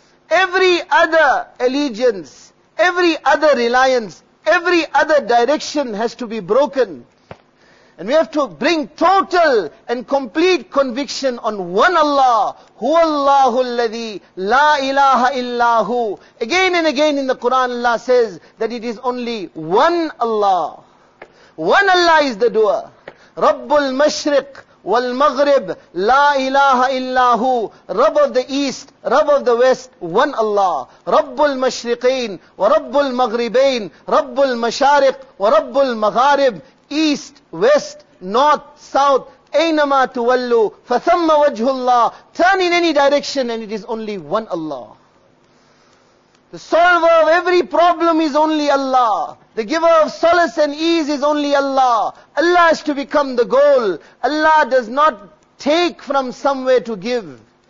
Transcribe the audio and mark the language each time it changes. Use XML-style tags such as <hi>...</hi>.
<en>Every other allegiance, every other reliance, every other direction has to be broken. And we have to bring total and complete conviction on one Allah.</en> <ar>هُوَ اللَّهُ الَّذِي لَا إِلَٰهَ إِلَّا هُ.</ar> <en>Again and again in the Quran, Allah says that it is only one Allah. One Allah is the doer.</en> <ar>رَبُّ الْمَشْرِقِ والمغرب لا إله إلا هو رب</ar> <en>of the east,</en> <ar>رب</ar> <en>of the west, one Allah.</en> <ar>رب المشرقين ورب المغربين رب المشارق ورب المغارب.</ar> <en>East, west, north, south,</en> <ar>أينما تولوا فثم وجه الله.</ar> <en>Turn in any direction and it is only one Allah. The solver of every problem is only Allah. The giver of solace and ease is only Allah. Allah has to become the goal. Allah does not take from somewhere to give.</en>